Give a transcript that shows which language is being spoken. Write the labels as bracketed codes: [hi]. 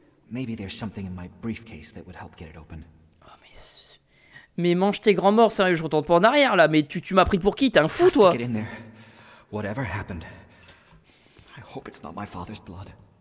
[en] Maybe there's something in my briefcase that would help get it open. [fr] Oh, mais mange tes grands morts, sérieux, je retourne pas en arrière là. Mais tu m'as pris pour qui? T'es un fou, toi. [en] Whatever happened, I hope it's not my father's blood.